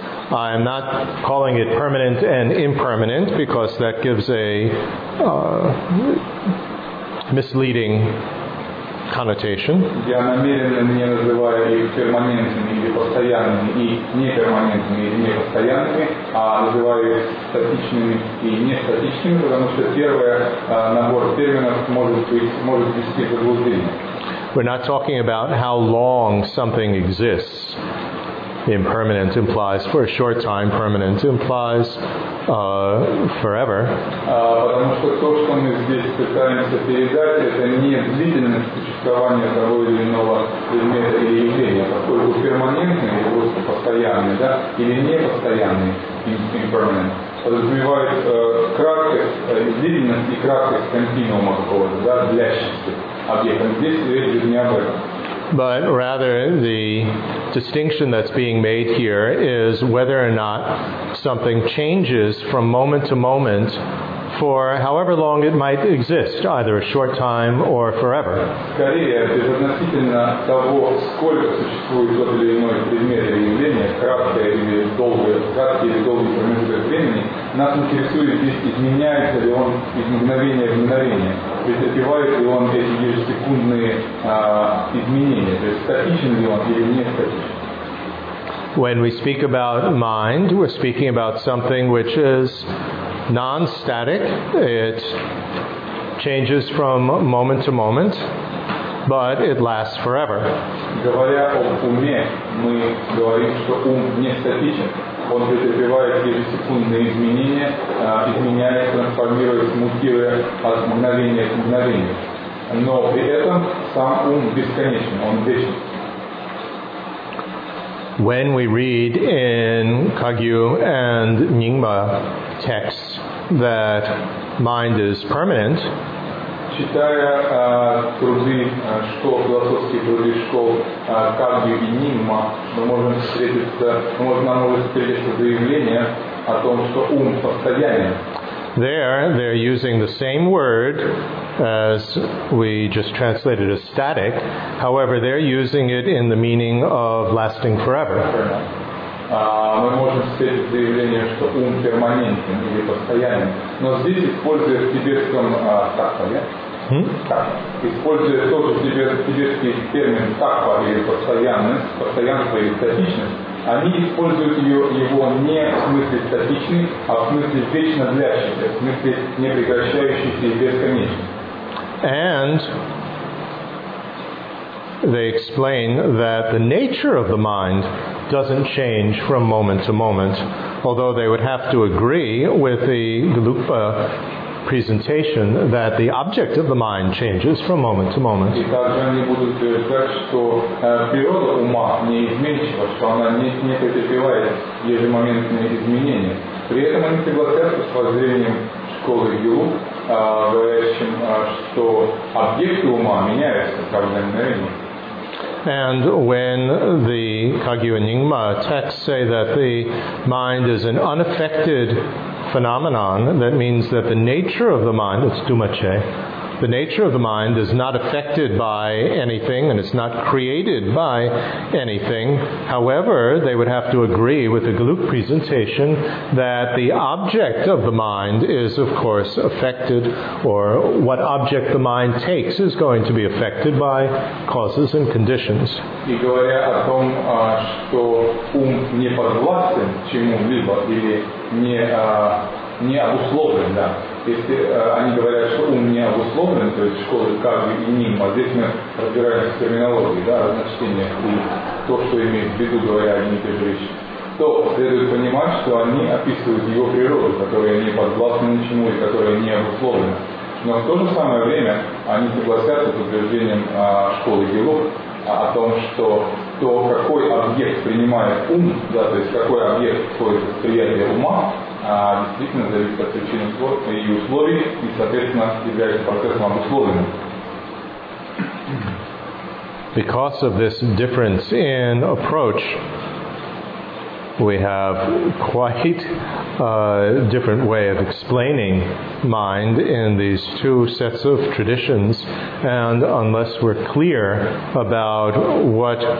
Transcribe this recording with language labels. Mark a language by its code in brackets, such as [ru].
[en] I am not calling it permanent and impermanent because that gives a… misleading connotation. [ru] Я намеренно не называю их перманентными или постоянными и неперманентными или непостоянными, а называю их статичными и нестатичными, потому что первое набор терминов может вести к заблуждению. [en] We're not talking about how long something exists. Impermanent implies for a short time, permanent implies forever. [ru] Потому что то, что мы здесь пытаемся передать, это не длительное существование того или иного предмета или явления, поскольку перманентный или просто постоянный, да, или непостоянный impermanent подразумевает краткость, длительность и краткость континуума какого-то, да, длящегося объекта. Здесь речь идет не об этом. [en] But rather, the distinction that's being made here is whether or not something changes from moment to moment for however long it might exist, either a short time or forever. [ru] Скорее, безотносительно того, сколько существует тот или иной предмет или явление, краткий или долгий промежуток времени, нас интересует, изменяется ли он из мгновения в мгновение, претерпевает ли он эти ежесекундные изменения, то есть статичен ли он или не статичен. [en] When we speak about mind, we're speaking about something which is non-static. It changes from moment to moment, but it lasts forever. [ru] Говоря о уме, мы говорим, что ум не статичен. Он претерпевает ежесекундные изменения, изменяется, трансформируется, мутируя от мгновения к мгновению. Но при этом сам ум бесконечен, он вечен. [en] When we read in Kagyu and Nyingma texts that mind is permanent, [ru] читая труды школ, философские труды школ Кагью и Нингма, мы можем встретиться, нам может встретиться заявление о том, что ум постоянен. [en] There, they're using the same word as we just translated as static. However, they're using it in the meaning of lasting forever. [ru] Мы можем сказать заявление, что ум перманентен или постоянен. Но здесь используя тибетском такпа, да? Используя тот же тибетский термин такпа или постоянность, постоянство или статичность, они используют его не в смысле статичный, а в смысле вечно длящийся, в смысле непрекращающийся и бесконечный. [en] And they explain that the nature of the mind doesn't change from moment to moment, although they would have to agree with the Gelugpa presentation that the object of the mind changes from moment to moment. [ru] И также они будут утверждать, что природа ума не изменчива, что она не претерпевает ежемоментные изменения. При этом они согласятся с воззрением школы Ю, говорящим, что объекты ума меняются каждое мгновение. [en] And when the Kagyu and Nyingma texts say that the mind is an unaffected phenomenon, that means that the nature of the mind, it's Dumache, the nature of the mind is not affected by anything and it's not created by anything. However, they would have to agree with the Galuk presentation that the object of the mind is, of course, affected, or what object the mind takes is going to be affected by causes and conditions. [ru] И говоря о том, что ум не подвластен чему-либо или не обусловлен, да. Если они говорят, что ум не обусловлен, то есть школы Кагью и Нингма, здесь мы разбираемся в терминологии, да, значениях и то, что имеют в виду, говоря о них и речи, то следует понимать, что они описывают его природу, которая не подвластна ничему и которая не обусловлена. Но в то же самое время они согласятся с утверждением школы Гелуг о том, что то, какой объект принимает ум, да, то есть какой объект входит в восприятие ума, действительно зависит от причин и условий, и, соответственно, является процессом обусловленным. [en] Because of this difference in approach, we have quite a different way of explaining mind in these two sets of traditions, and unless we're clear about what